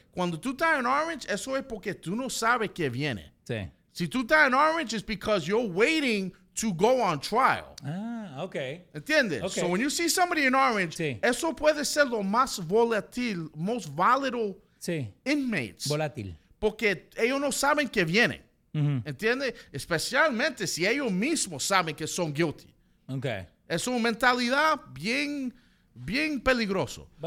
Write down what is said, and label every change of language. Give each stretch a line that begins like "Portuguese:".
Spanish: Cuando tú estás en orange, eso es porque tú no sabes qué viene. Sí. Si tú estás en orange,
English: it's because you're waiting to go on trial. Ah, okay.
Spanish: ¿Entiendes?
English: Okay. So when you see somebody in orange,
Spanish: sí. Eso puede ser lo más volátil,
English: most volatile,
Spanish: sí.
English: Inmates.
Spanish: Volátil. Porque ellos no saben que vienen. Mm-hmm. ¿Entiendes? Especialmente si ellos mismos saben que son guilty.
English: Okay.
Spanish: Es una mentalidad bien, bien peligroso.